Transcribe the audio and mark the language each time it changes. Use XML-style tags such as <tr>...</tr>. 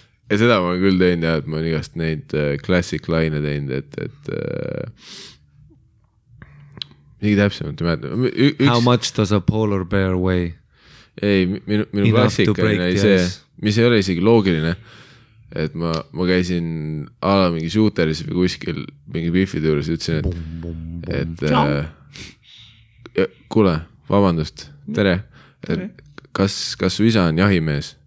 <et>ja seda ma olen küll teinud, et ma olen igast neid classic line teinud, et nii täpsemalt.</et> <en>How much does a polar bear weigh?</en> <et>Ei, minu klassikaline ei see, mis ei ole isegi loogiline. Et ma käisin ala mingi shooteris või kuskil mingi piffi tõulis ja ütlesin, et, kuule, vabandust, tere, et, kas su isa on jahimees?</et>